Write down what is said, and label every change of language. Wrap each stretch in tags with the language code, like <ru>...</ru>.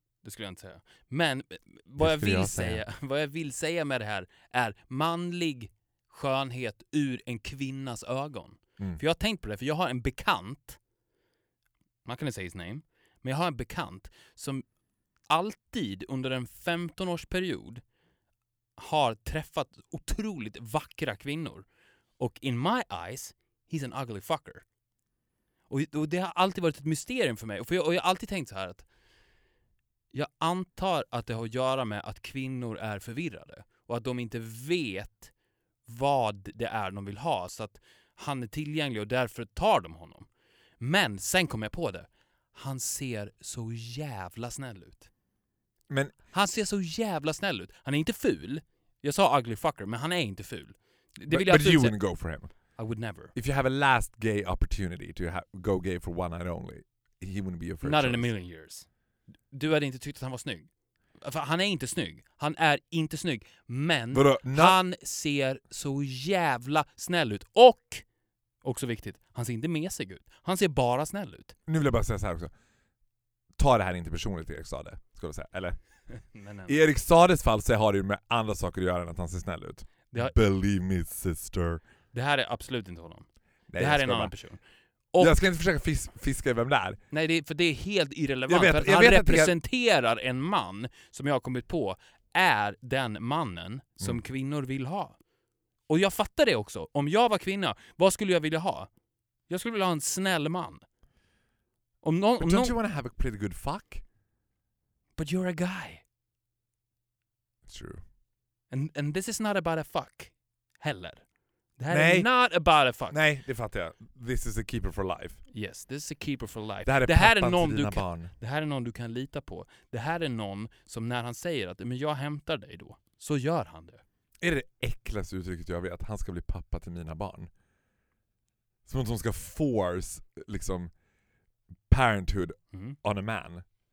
<sv>Det skulle jag inte säga. Men vad jag vill säga, vad jag vill säga med det här är manlig skönhet ur en kvinnas ögon. Mm. För jag har tänkt på det, för jag har en bekant, man kan inte säga</sv> <en>his name,</en> <sv>men jag har en bekant som alltid under en 15-årsperiod har träffat otroligt vackra kvinnor. Och</sv> <en>in my eyes, he's an ugly fucker.</en> <sv>Och det har alltid varit ett mysterium för mig. Och jag har alltid tänkt så här att jag antar att det har att göra med att kvinnor är förvirrade. Och att de inte vet vad det är de vill ha. Så att han är tillgänglig och därför tar de honom. Men sen kom jag på det. Han ser så jävla snäll ut. Men han ser så jävla snäll ut. Han är inte ful. Jag sa</sv> <en>ugly fucker,</en> <sv>men han är inte ful. Det vill</sv> <en>but</en> <sv>jag</sv> <en>you wouldn't go for him. I would never. If you have a last gay opportunity to go gay for one night only, he wouldn't be your first Not choice. In a million years.</en> <sv>Du hade inte tyckt att han var snygg. För han är inte snygg. Han är inte snygg. Men han ser så jävla snäll ut. Och, också viktigt, han ser inte mesig ut. Han ser bara snäll ut. Nu vill jag bara säga så här också. Ta det här inte personligt, Erik Sade, skulle jag säga. Eller? Nej. I Erik Sades fall så har det ju med andra saker att göra än att han ser snäll ut.</sv> <en>Believe me, sister.</en> <sv>Det här är absolut inte honom. Nej, det här är en annan person. Och jag ska inte försöka fiska vem det är. Nej, det är, för det är helt irrelevant. Jag vet, för jag vet han representerar att det är... en man som jag har kommit på är den mannen som kvinnor vill ha. Och jag fattar det också. Om jag var kvinna, vad skulle jag vilja ha? Jag skulle vilja ha en snäll man. Om någon,</sv> <en>but don't you want to have a pretty good fuck? But you're a guy. True. And this is not about a fuck</en> <sv>heller.</sv> <en>That</en> <sv>nej.</sv> <en>Is not about a fuck.</en> <sv>Nej, det fattar jag.</sv> <en>This is a keeper for life. Yes, this is a keeper for life.</en> <sv>Det här är någon du kan, det här är någon du kan lita på. Det här är någon som när han säger att men jag hämtar dig då, så gör han det. Är det äckligaste uttrycket jag vet att han ska bli pappa till mina barn? Som att de ska</sv> <en>force</en> <sv>liksom</sv> <en>parenthood on a man.</en>